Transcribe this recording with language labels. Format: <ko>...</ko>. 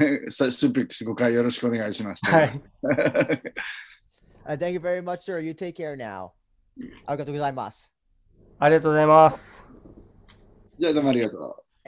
<ja>スープックス5回よろしくお願いしますという</ja> <en>Thank you very much, sir. You take care now.</en> <ja>ありがとうございます。ありがとうございます。じゃあどうもありがとう。</ja>